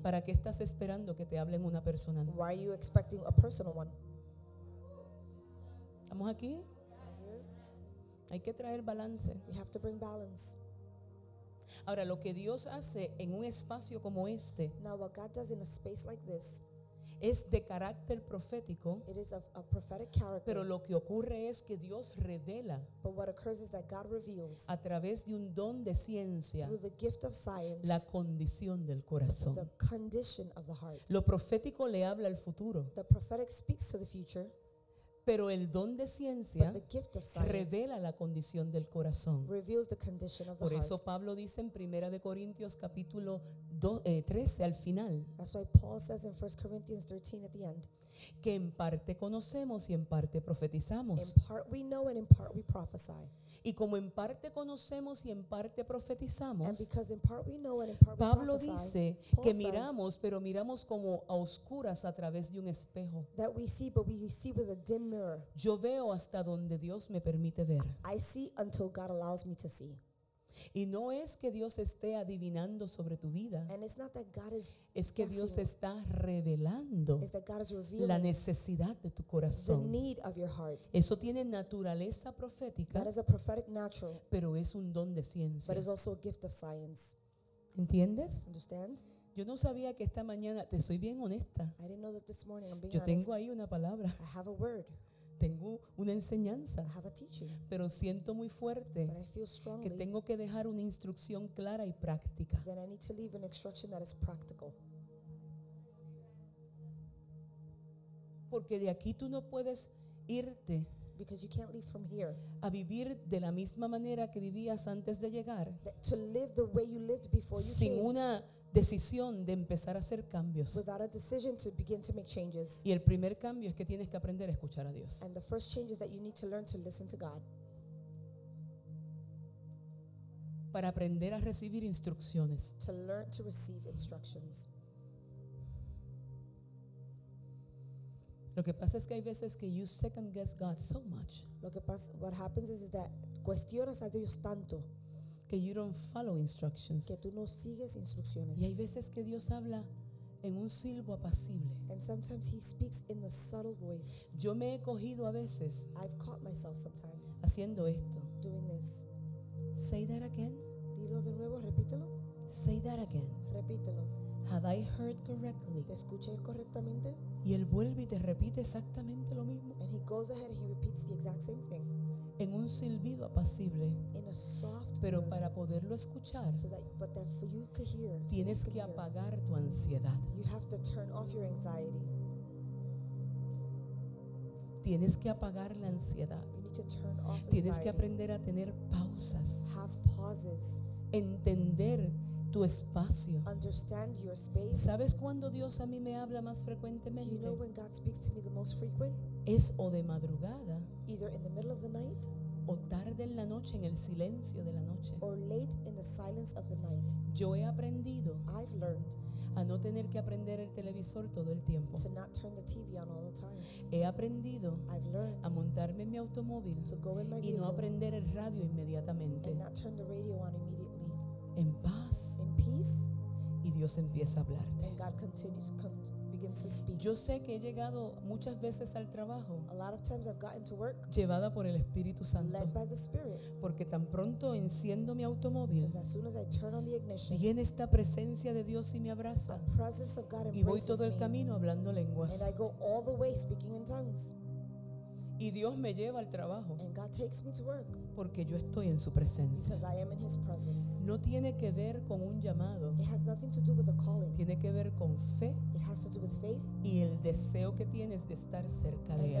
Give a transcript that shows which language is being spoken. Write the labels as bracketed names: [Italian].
[Spanish] ¿para qué estás esperando que te hablen una personal? [English] Why are you expecting a personal one? [Spanish] ¿Estamos aquí? Hay que traer balance. [English] You have to bring balance. [Spanish] Ahora lo que Dios hace en un espacio como este, [English] now what God does in a space like this, [Spanish] es de carácter profético. [English] It is of a prophetic character. [Spanish] Pero lo que ocurre es que Dios revela, [English] but what occurs is that God reveals, [Spanish] a través de un don de ciencia, [English] through the gift of science, [Spanish] la condición del corazón. [English] The condition of the heart. [Spanish] Lo profético le habla al futuro. [English] The prophetic speaks to the future. [Spanish] Pero el don de ciencia, [English] but the gift of science, [Spanish] revela la condición del corazón. [English] Reveals the condition of the [Spanish] por eso [English] heart. [Spanish] Pablo dice en 1 Corintios capítulo 13 al final, [English] that's why Paul says in 1 Corinthians 13 at the end, [Spanish] que en parte conocemos y en parte profetizamos. [English] In part we know and in part we prophesy. [Spanish] Y como en parte conocemos y en parte profetizamos, [English] and because in part we know and in part [Spanish] Pablo [English] we prophesy, [Spanish] dice [English] Paul [Spanish] que miramos, [English] says, [Spanish] pero miramos como a oscuras a través de un espejo. [English] That we see, but we see with a dim mirror. [Spanish] Yo veo hasta donde Dios me permite ver. [English] I see until God allows me to see. [Spanish] Y no es que Dios esté adivinando sobre tu vida. [English] And it's not that God is, [Spanish] es que Dios está revelando, [English] is that God is revealing [Spanish] la necesidad de tu corazón. [English] The need of your heart. [Spanish] Eso tiene naturaleza profética. [English] That is a prophetic natural, [Spanish] pero es un don de ciencia. [English] But it's also a gift of science. [Spanish] ¿Entiendes? [English] Understand? [Spanish] Yo no sabía que esta mañana, te soy bien honesta. [English] I didn't know that this morning, I'm being [Spanish] yo tengo Ahí una palabra. [English] I have a word. [Spanish] Tengo una enseñanza, [English] I have a teaching, [Spanish] pero siento muy fuerte que tengo que dejar una instrucción clara y práctica. [English] That I need to leave an instruction that is practical. [Spanish] Porque de aquí tú no puedes irte [English] because you can't leave from here, [Spanish] a vivir de la misma manera que vivías antes de llegar, [English] to live the way you lived before you [Spanish] sin [English] came. [Spanish] Una decisión de empezar a hacer cambios. [English] Without a decision to begin to make changes. [Spanish] Y el primer cambio es que tienes que aprender a escuchar a Dios. [English] And the first change is that you need to learn to listen to God. [Spanish] Para aprender a recibir instrucciones. [English] To learn to receive instructions. [Spanish] Lo que pasa es que hay veces que [English] you second guess God so much. What happens is that [Spanish] cuestionas a Dios tanto [English] que you don't follow instructions. [Spanish] Que tú no sigues instrucciones. Y hay veces que Dios habla en un silbo apacible. [English] And sometimes he speaks in the subtle voice. [Spanish] Yo me he cogido a veces, [English] I've caught myself sometimes, [Spanish] haciendo esto. [English] Doing this. Say that again. [Spanish] Dilo de nuevo, repítelo. [English] Say that again. [Spanish] Repítelo. [English] Have I heard correctly? [Spanish] ¿Te escuché correctamente? Y él vuelve y te repite exactamente lo mismo. [English] And he goes ahead and he repeats the exact same thing. [Spanish] En un silbido apacible. [English] In a soft [Spanish] pero [English] word, [Spanish] para poderlo escuchar, [English] so that, but that for you could hear, [Spanish] tienes [English] so you [Spanish] que [English] hear, [Spanish] apagar tu ansiedad. [English] You have to turn off your anxiety. [Spanish] Tienes que apagar la ansiedad. [English] You need to turn off anxiety. [Spanish] Tienes que aprender a tener pausas. [English] Have pauses. [Spanish] Entender tu espacio. [English] Understand your space. [Spanish] ¿Sabes cuándo Dios a mí me habla más frecuentemente? [English] Do you know when God speaks to me the most frequent? [Spanish] Es o de madrugada, [English] either in the middle of the night, [Spanish] o tarde en la noche, en el silencio de la noche, [English] or late in the silence of the night. [Spanish] Yo he aprendido, [English] I've learned, [Spanish] a no tener que aprender el televisor todo el tiempo, [English] to not turn the TV on all the time. [Spanish] He aprendido, [English] I've learned, [Spanish] a montarme en mi automóvil, [English] to go in my vehicle, [Spanish] y no aprender el radio inmediatamente, [English] and not turn the radio on immediately. [Spanish] En paz, [English] in peace, [Spanish] y Dios empieza a hablarte. [English] And God continues, begins to speak. [Spanish] Yo sé que he llegado muchas veces al trabajo, [English] a lot of times I've gotten to work, [Spanish] llevada por el Espíritu Santo, [English] led by the Spirit, [Spanish] porque tan pronto enciendo mi automóvil, [English] as soon as I turn on the ignition, [Spanish] viene esta presencia de Dios y me abraza, [English] a presence of God embraces [Spanish] y voy todo el camino hablando lenguas, [English] and I go all the way speaking in tongues. [Spanish] Y Dios me lleva al trabajo, [English] and God takes me to work, [Spanish] porque yo estoy en su presencia. [English] Because I am in his presence. [Spanish] No tiene que ver con un llamado. [English] It has nothing to do with a calling. [Spanish] Tiene que ver con fe. [English] It has to do with faith. [Spanish] Y el deseo que tienes de estar cerca de él.